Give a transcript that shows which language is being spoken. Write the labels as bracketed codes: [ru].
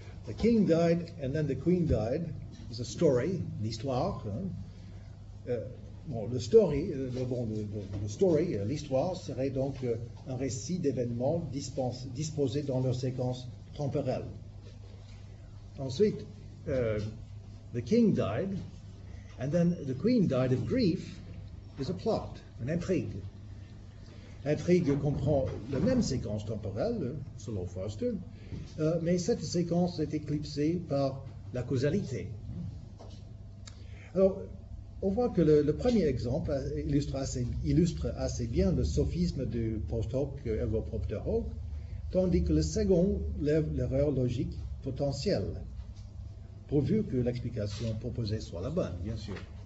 [en] The king died and then the queen died is a story, l'histoire. [fr] Bon, le story, le story, l'histoire serait donc un récit d'événements disposés dans leur séquence temporelle. [en] Ensuite, the king died, and then the queen died of grief is a plot, an intrigue. [fr] L'intrigue comprend la même séquence temporelle, selon Foster, mais cette séquence est éclipsée par la causalité. Alors, on voit que le premier exemple illustre assez bien le sophisme du post-hoc ergo propter hoc, tandis que le second lève l'erreur logique potentielle, pourvu que l'explication proposée soit la bonne, bien sûr.